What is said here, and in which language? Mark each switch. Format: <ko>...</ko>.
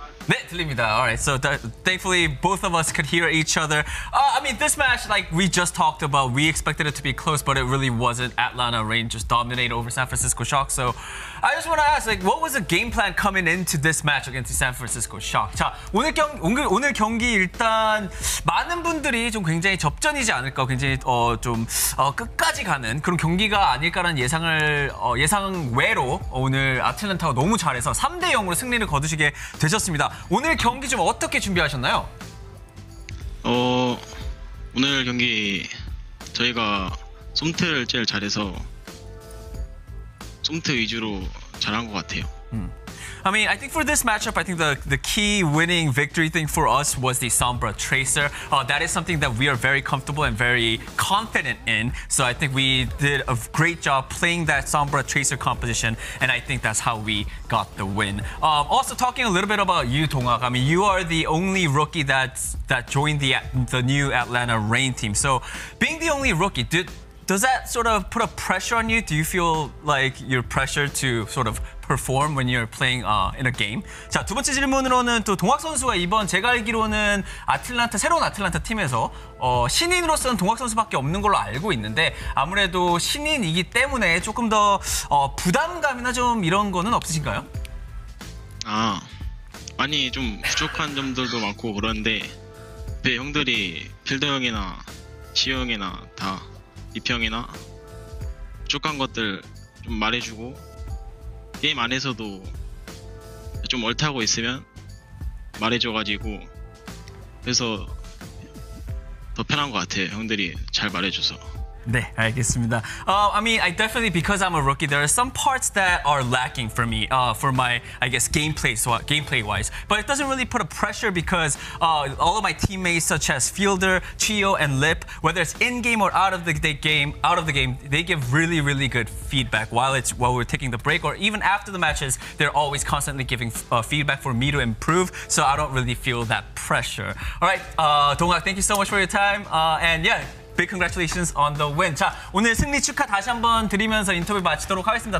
<ko>네, 들립니다.</ko> <en>All right, so thankfully both of us could hear each other. I mean, this match, like we just talked about, we expected it to be close, but it really wasn't. Atlanta Reign just dominated over San Francisco Shock. So I just want to ask, like, what was the game plan coming into this match against the San Francisco Shock?</en> <ko>자, 오늘 경기 일단 많은 분들이 좀 굉장히 접전이지 않을까, 굉장히 끝까지 가는 그런 경기가 아닐까라는 예상외로 오늘 아틀란타가 너무 잘해서 3-0으로 승리를 거두시게 되셨습니다. 오늘 경기 좀 어떻게 준비하셨나요? 오늘 경기 저희가 솜트를 제일 잘해서 솜트 위주로 잘한 것 같아요.</ko> <en>I mean, I think for this matchup, I think the key winning victory thing for us was the Sombra Tracer. That is something that we are very comfortable and very confident in. So I think we did a great job playing that Sombra Tracer composition, and I think that's how we got the win. Also, talking a little bit about you, Donghak, I mean, you are the only rookie that joined the new Atlanta Reign team. So being the only rookie, does that sort of put a pressure on you? Do you feel like you're pressured to sort of perform when you're playing in a game?</en> <ko>자, 두 번째 질문으로는 또 동학 선수가 이번 제가 알기로는 아틀란타 새로운 아틀란타 팀에서 신인으로서는 동학 선수밖에 없는 걸로 알고 있는데 아무래도 신인이기 때문에 조금 더 부담감이나 좀 이런 거는 없으신가요? 아, 아니 좀 부족한 점들도 많고 그런데 내 형들이 필더 형이나 지호 형이나 다 입 형이나 부족한 것들 좀 말해주고 게임 안에서도 좀 얼타고 있으면 말해줘가지고 그래서 더 편한 것 같아요. 형들이 잘 말해줘서. 네, 알겠습니다.</ko> <en>I mean, I definitely, because I'm a rookie, there are some parts that are lacking for me, for my, I guess, gameplay-wise. But it doesn't really put a pressure because all of my teammates, such as Fielder, Chio, and Lip, whether it's in-game or out of the game, they give really, really good feedback while we're taking the break, or even after the matches, they're always constantly giving feedback for me to improve, so I don't really feel that pressure. All right, Donghak, thank you so much for your time, and yeah, big congratulations on the win.</en> <ko>자, 오늘 승리 축하 다시 한번 드리면서 인터뷰 마치도록 하겠습니다.</ko>